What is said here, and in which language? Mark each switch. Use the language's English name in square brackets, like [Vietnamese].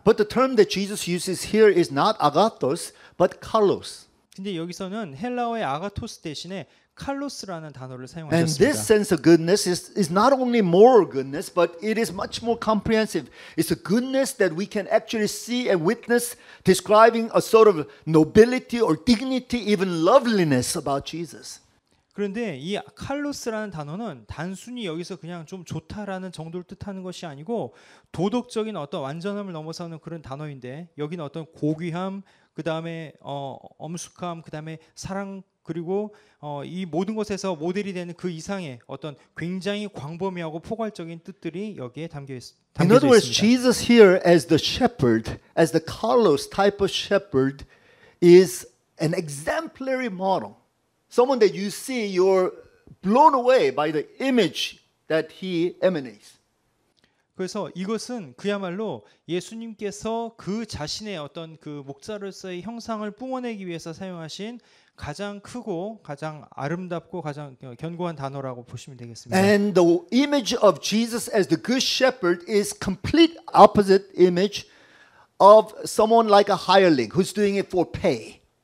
[English] But the term that Jesus uses here is not agathos but kalos. [Korean] 근데 여기서는 헬라어의 아가토스 대신에 칼로스라는 단어를 사용하셨습니다. [English] And this sense of goodness is not only moral goodness, but it is much more comprehensive. It's a goodness that we can actually see and witness, describing a sort of nobility or dignity, even loveliness about Jesus. [Korean] 그런데 이 칼로스라는 단어는 단순히 여기서 그냥 좀 좋다라는 정도를 뜻하는 것이 아니고 도덕적인 어떤 완전함을 넘어서는 그런 단어인데 여기는 어떤 고귀함 그 다음에 엄숙함, 그 다음에 사랑, 그리고 이 모든 것에서 모델이 되는 그 이상의 어떤 굉장히 광범위하고 포괄적인 뜻들이 여기에 담겨 [English] In other words, Jesus here as the shepherd, as the Carlos type of shepherd, is an exemplary model. Someone that you see, you're blown away by the image that he emanates. [Korean] 그래서 이것은 그야말로 예수님께서 그 자신의 어떤 그 목자로서의 형상을 뿜어내기 위해서 사용하신 가장 크고 가장 아름답고 가장 견고한 단어라고 보시면 되겠습니다. [English] And the image of Jesus as the good shepherd is complete opposite image of someone like a hireling who's doing it for pay.